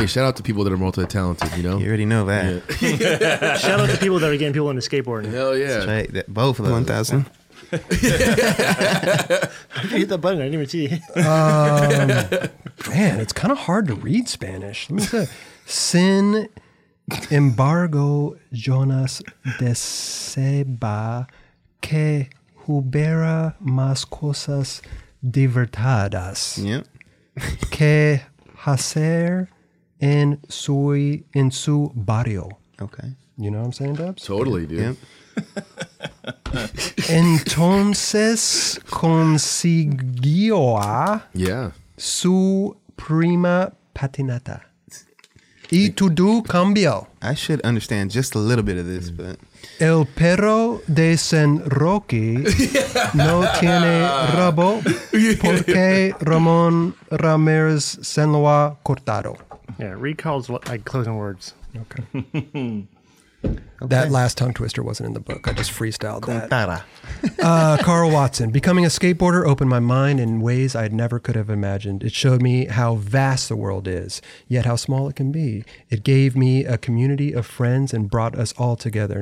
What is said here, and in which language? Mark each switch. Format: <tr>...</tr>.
<en>Hey, shout out to people that are multi-talented, you know? You already know that. Yeah. Shout out to people that are getting people into skateboarding. Hell yeah. That's right. Both of them. 1,000. I hit that button. I didn't even see. Man, it's kind of hard to read Spanish. Let me see.</en> <es>Sin embargo, Jonas deseba que hubiera más cosas divertidas.</es> <en>Yep.</en> <es>Que... Hacer en su barrio.</es> <en>Okay. You know what I'm saying, Dubs? Totally, dude. Yep.</en> <es>Entonces consiguió su prima patinata. Y todo cambió.</es> <en>I should understand just a little bit of this, but...</en> <es>El perro de San Roque no tiene rabo porque Ramón Ramírez se lo ha cortado.</es> <en>Yeah, recalls like closing words. Okay. Okay. That last tongue twister wasn't in the book. I just freestyled Contara. That. Carl Watson, becoming a skateboarder opened my mind in ways I never could have imagined. It showed me how vast the world is, yet how small it can be. It gave me a community of friends and brought us all together.</en>